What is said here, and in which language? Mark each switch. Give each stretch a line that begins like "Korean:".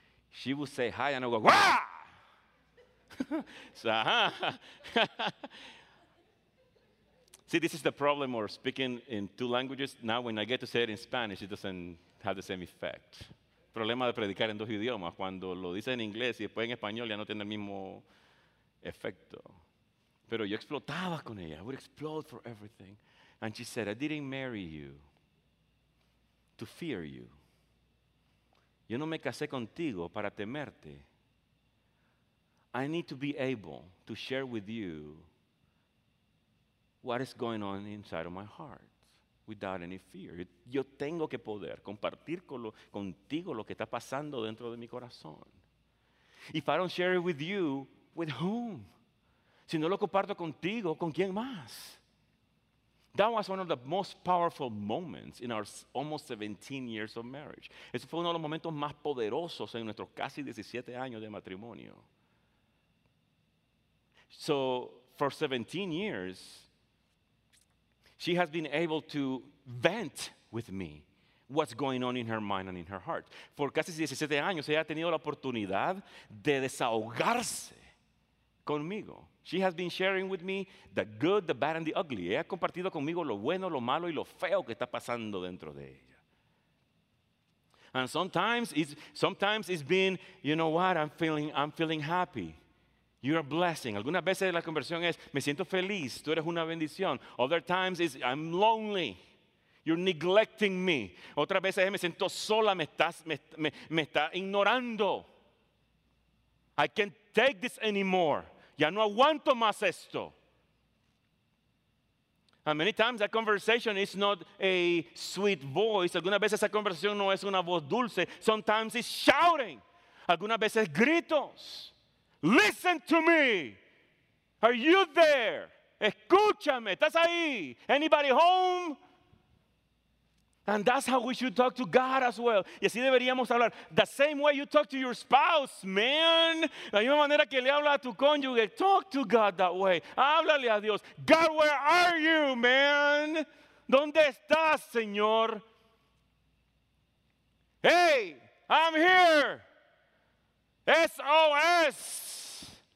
English: She would say hi, and I would go, ¡wah! So, <"Huh?" laughs> See, this is the problem of speaking in two languages. Now, when I get to say it in Spanish, it doesn't have the same effect.
Spanish: Problema de predicar en dos idiomas. Cuando lo dice en inglés y después en español, ya no tiene el mismo efecto. Pero yo explotaba con ella.
English: I would explode for everything. And she said, I didn't marry you to fear you.
Spanish: Yo no me casé contigo para temerte.
English: I need to be able to share with you what is going on inside of my heart without any fear.
Spanish: Yo tengo que poder compartir contigo lo que está pasando dentro de mi corazón.
English: If I don't share it with you, with whom?
Spanish: Si no lo comparto contigo, ¿con quién más?
English: That was one of the most powerful moments in our almost 17 years of marriage.
Spanish: Ese fue uno de los momentos más poderosos en nuestros casi 17 años de matrimonio.
English: So, for 17 years, she has been able to vent with me what's going on in her mind and in her heart.
Spanish: For casi 17 años, ella ha tenido la oportunidad de desahogarse conmigo.
English: She has been sharing with me the good, the bad, and the ugly.
Spanish: Ella ha compartido conmigo lo bueno, lo malo, y lo feo que está pasando dentro de ella.
English: And sometimes it's been, you know what, I'm feeling happy. You're a blessing.
Spanish: Algunas veces la conversión es, me siento feliz, tú eres una bendición.
English: Other times it's, I'm lonely. You're neglecting me.
Spanish: Otras veces me siento sola, me está ignorando.
English: I can't take this anymore.
Spanish: Ya no aguanto más esto.
English: And many times that conversation is not a sweet voice.
Spanish: Algunas veces esa conversación no es una voz dulce.
English: Sometimes it's shouting.
Spanish: Algunas veces gritos.
English: Listen to me. Are you there?
Spanish: Escúchame. ¿Estás ahí?
English: Anybody home? And that's how we should talk to God as well.
Spanish: Y así deberíamos hablar.
English: The same way you talk to your spouse, man.
Spanish: La misma manera que le habla a tu cónyuge.
English: Talk to God that way.
Spanish: Háblale a Dios.
English: God, where are you, man?
Spanish: ¿Dónde estás, Señor?
English: Hey, I'm here. S.O.S.